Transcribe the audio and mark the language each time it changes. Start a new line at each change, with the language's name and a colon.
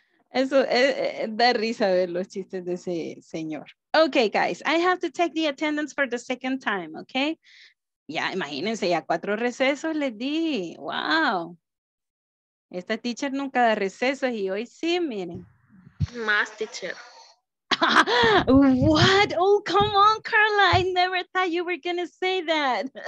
Spanish: Eso da risa ver los chistes de ese señor.
English: Okay, guys, I have to take the attendance for the second time, okay?
Spanish: Ya, imagínense, ya cuatro recesos les di. Wow. Esta teacher nunca da recesos y hoy sí, miren. Más teacher.
English: What? Oh, come on, Carla. I never thought you were going to say that.